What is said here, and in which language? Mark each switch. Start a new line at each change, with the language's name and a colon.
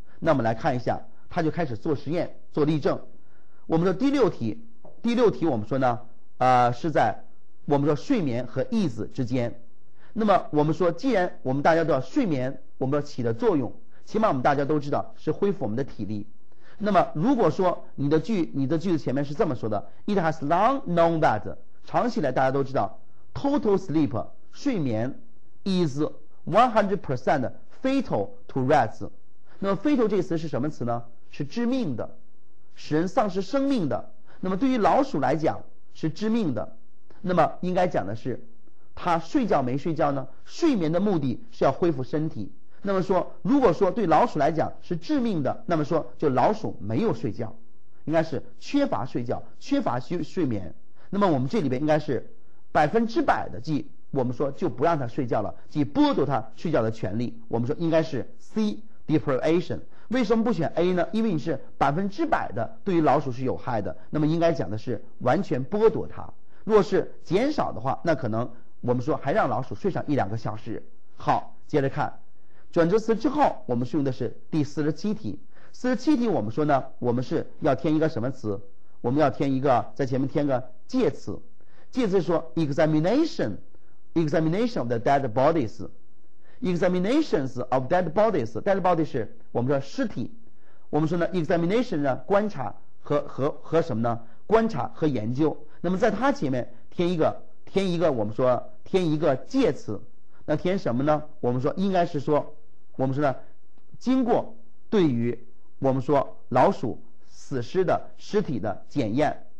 Chinese: 那么来看一下，它就开始做实验做例证。我们说第六题我们说呢是在我们说睡眠和意志之间。那么我们说既然我们大家都知道睡眠我们说起的作用，起码我们大家都知道是恢复我们的体力，那么如果说你的句子前面是这么说的，
English: It has long known that
Chinese: 长期来大家都知道
English: total sleep
Chinese: 睡眠
English: is 100% fatal to rats。
Chinese: 那么 fatal 这个词是什么词呢？是致命的，使人丧失生命的。那么对于老鼠来讲是致命的，那么应该讲的是它睡觉没睡觉呢？睡眠的目的是要恢复身体。那么说如果说对老鼠来讲是致命的，那么说就老鼠没有睡觉，应该是缺乏睡觉，缺乏睡眠。那么我们这里边应该是100%的，即我们说就不让它睡觉了，即剥夺它睡觉的权利，我们说应该是 C deprivation。为什么不选 A 呢？因为你是100%的对于老鼠是有害的，那么应该讲的是完全剥夺它。若是减少的话，那可能我们说还让老鼠睡上一两个小时。好，接着看转折词之后，我们是用的是第47题。 47题我们说呢，我们是要添一个什么词？我们要添一个，在前面添个介词。介词说
English: examination of the dead bodies，
Chinese: examinations of dead bodies， dead bodies 是我们说尸体。我们说呢 examination 呢，观察和什么呢？观察和研究。那么在它前面添一个我们说添一个介词。那填什么呢？我们说应该是说，我们说呢，经过对于我们说老鼠死尸的尸体的检验。